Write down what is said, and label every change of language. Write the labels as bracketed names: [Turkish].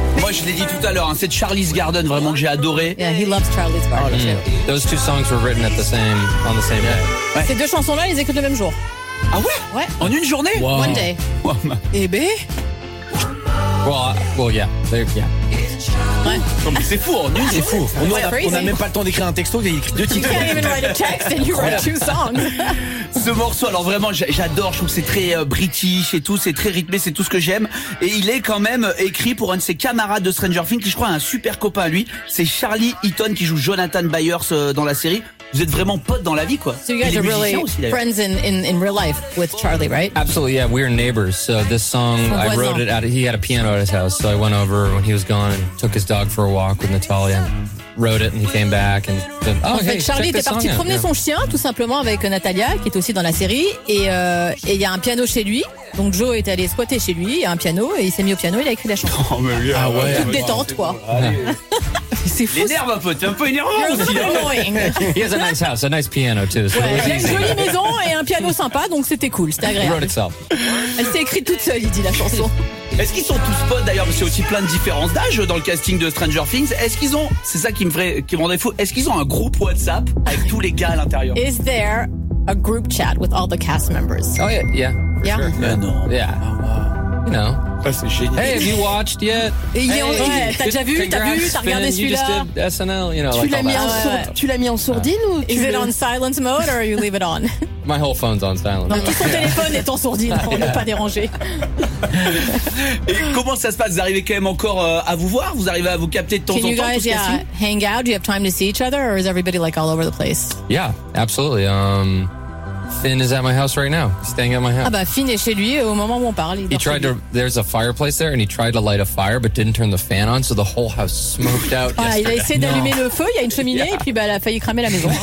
[French] Je l'ai dit tout à l'heure, hein, c'est Charlie's Garden vraiment que j'ai adoré. [English] Yeah, he loves Charlie's Garden. Mm. Too. Those two songs were written at the same on the same day. [French] Ouais. Ces deux chansons-là, ils écoutent le même jour. Ah ouais? Ouais. En une journée? [English] Wow. One day. Wow. [French] Et B? [English] Well, yeah, they're, yeah. [French] Ouais. C'est fou, en une, c'est fou. On a même pas le temps d'écrire un texto, il a écrit deux titres. [English] You can't even write a text and you wrote two songs. [French] Ce morceau, alors vraiment, j'adore, je trouve que c'est très british et tout, c'est très rythmé, c'est tout ce que j'aime. Et il est quand même écrit pour un de ses camarades de Stranger Things, qui je crois est un super copain à lui. C'est Charlie Heaton qui joue Jonathan Byers dans la série. Vous êtes vraiment potes dans la vie, quoi. [English] So you guys are really [French] aussi, [English] friends in real life with Charlie, right? Absolutely, yeah, we're neighbors. So this song, I wrote it, he had a piano at his house, so I went over when he was gone and took his dog for a walk with Natalia. Wrote it and he came back and [French] oh, en fait, hey, Charlie était parti promener son chien tout simplement avec Natalia qui est aussi dans la série et il y a un piano chez lui donc Joe est allé squatter chez lui, il y a un piano et il s'est mis au piano, il a écrit la chanson. Oh, mais oui, ah ouais, toute détente quoi. C'est fou. L'énerve un peu, t'es un peu énervant aussi. [English] He has a nice house, a nice piano too. So [French] ouais, j'ai une jolie maison et un piano sympa donc c'était cool, c'était agréable. [English] Wrote itself. [French] Elle s'est écrite toute seule, il dit la chanson. Est-ce qu'ils sont tous potes d'ailleurs? Parce qu'il y a aussi plein de différences d'âge dans le casting de Stranger Things. Est-ce qu'ils ont, c'est ça qui me rendait fou, est-ce qu'ils ont un groupe WhatsApp avec tous les gars à l'intérieur? [English] Is there a group chat with all the cast members? Oh yeah, yeah. Yeah? Sure. Yeah. [French] Non. [English] Yeah. You know. That's [French] génial. [English] Hey, have you watched yet? Hey, [French] ouais, t'as déjà vu, t'as regardé Finn, celui-là? [English] You just did SNL, you know, [French] tu [English] like [French] l'as mis en tu l'as mis en sourdine ou [English] is it on silence mode or you leave it on? My whole phone's on silent. [French] Donc, tout son téléphone est en sourdine pour ne pas déranger. Et comment ça se passe? Vous arrivez quand même encore à vous voir? Vous arrivez à vous capter de temps [English] Can [French] en temps? [English] Can you guys hang out? Do you have time to see each other or is everybody like all over the place? Yeah, absolutely. Finn is at my house right now. He's staying at my house. [French] Ah bah Finn est chez lui au moment où on parle. [English] He tried to. There's a fireplace there, and he tried to light a fire, but didn't turn the fan on, so the whole house smoked out. Ah, yesterday. [French] Il a essayé d'allumer le feu. Il y a une cheminée, et puis bah elle a failli cramer la maison.